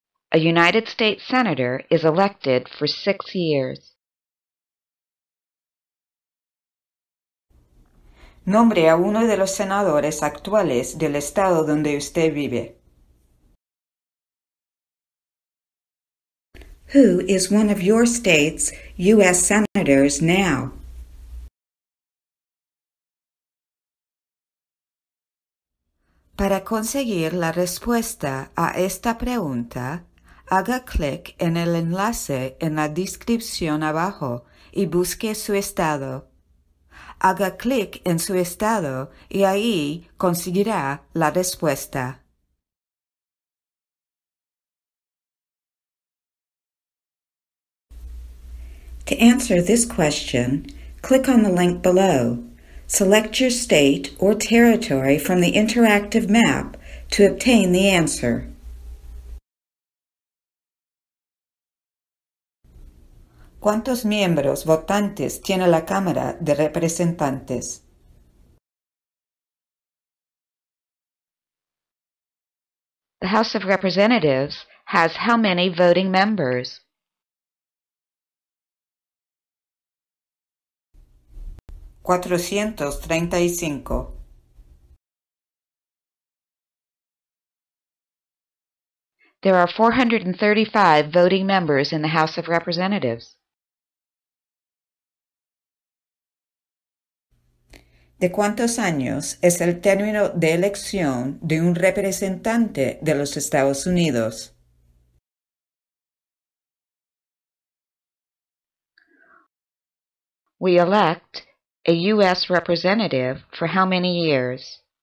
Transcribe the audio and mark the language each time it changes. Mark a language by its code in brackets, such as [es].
[en] A United States senator is elected for 6 years. [es] Nombre a uno de los senadores actuales del estado donde usted vive. [en] Who is one of your state's U.S. senators now? [es] Para conseguir la respuesta a esta pregunta, haga clic en el enlace en la descripción abajo y busque su estado. Haga clic en su estado y ahí conseguirá la respuesta. [en] To answer this question, click on the link below. Select your state or territory from the interactive map to obtain the answer. [es] ¿Cuántos miembros votantes tiene la Cámara de Representantes? [en] The House of Representatives has how many voting members? [es] ¿435? [en] There are 435 voting members in the House of Representatives. [es] ¿De cuántos años es el término de elección de un representante de los Estados Unidos? [en] We elect a U.S. representative for how many years?